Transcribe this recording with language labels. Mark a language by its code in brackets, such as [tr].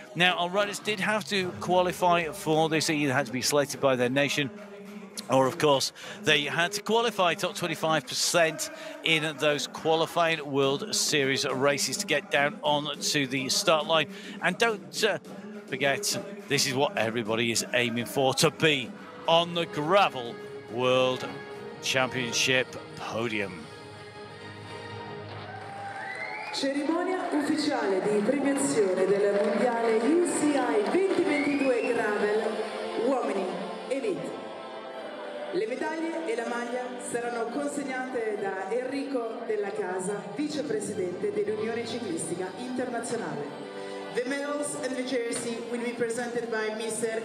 [en] Now, our riders did have to qualify for this. They either had to be selected by their nation, or of course they had to qualify top 25% in those qualifying World Series races to get down on to the start line. And don't forget, this is what everybody is aiming for, to be on the Gravel World Championship podium. [it] Cerimonia ufficiale di premiazione del Mondiale UCI 2022 Gravel Uomini Elite. Le medaglie e la maglia saranno consegnate da Enrico Della Casa, vicepresidente dell'Unione Ciclistica Internazionale. [en] The medals and the jersey will be presented by Mr.